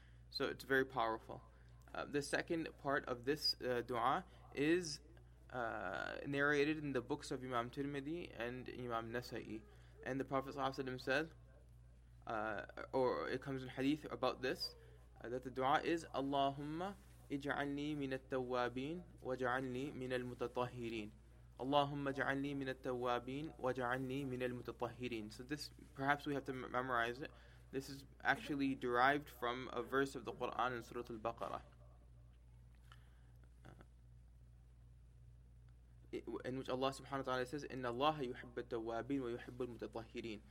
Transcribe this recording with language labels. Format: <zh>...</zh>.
<en>So it's very powerful. The second part of this dua is narrated in the books of Imam Tirmidhi and Imam Nasa'i. And the Prophet ﷺ said, or it comes in hadith about this, that the dua is, Allahumma,</en> <ar>اجعلني من التوابين واجعلني من المتطهرين. اللهم اجعلني من التوابين واجعلني من المتطهرين.</ar> <en>So this, perhaps we have to memorize it. This is actually derived from a verse of the Quran in Surah Al-Baqarah, in which Allah subhanahu wa ta'ala says,</en> <ar>إن الله يحب التوابين ويحب المتطهرين.</ar>